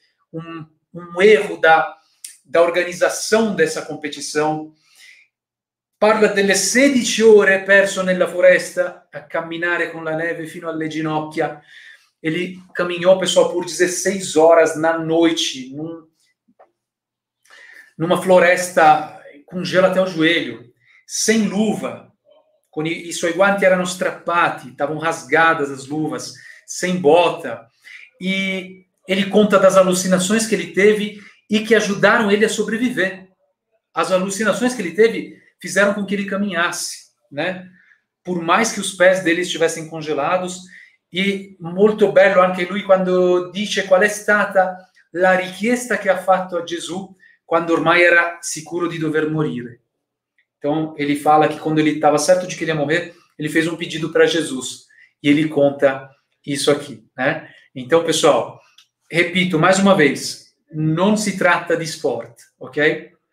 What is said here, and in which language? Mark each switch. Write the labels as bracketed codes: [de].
[it] un erro da organizzazione della competizione, parla delle 16 ore perso nella foresta a camminare con la neve fino alle ginocchia. [pt] Ele caminhou, pessoal, por 16 horas na noite, numa floresta com gelo até o joelho, sem luva, e seus guantes eram strappati, estavam rasgadas as luvas, sem bota. E ele conta das alucinações que ele teve e que ajudaram ele a sobreviver. As alucinações que ele teve fizeram com que ele caminhasse, né? Por mais que os pés dele estivessem congelados. [it] E molto bello anche lui quando dice qual è stata la richiesta che ha fatto a Gesù quando ormai era sicuro di dover morire. [pt] Então, ele fala che quando ele estava certo de que ele ia morrer, ele fez un pedido para Jesus. E ele conta isso aqui, né? Então, pessoal, repito mais uma vez, non si tratta di sport, ok?